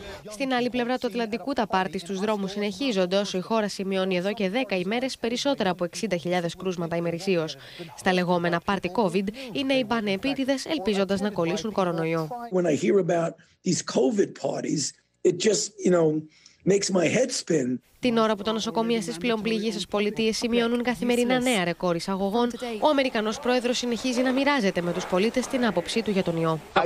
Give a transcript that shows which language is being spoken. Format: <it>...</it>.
<el>Στην άλλη πλευρά του Ατλαντικού, τα πάρτι στους δρόμους συνεχίζονται όσο η χώρα σημειώνει εδώ και 10 ημέρες περισσότερα από 60.000 κρούσματα ημερησίως. Στα λεγόμενα πάρτι COVID, οι νέοι πάνε επίτηδες ελπίζοντας να κολλήσουν κορονοϊό.</el> <en>When I hear about these COVID parties, it just, you know, makes my head spin.</en> <el>Την ώρα που τα νοσοκομεία στις πλέον πληγήσεις πολιτείες σημειώνουν καθημερινά νέα ρεκόρ εισαγωγών, ο Αμερικανός πρόεδρος συνεχίζει να μοιράζεται με τους πολίτες την άποψή του για τον ιό.</el>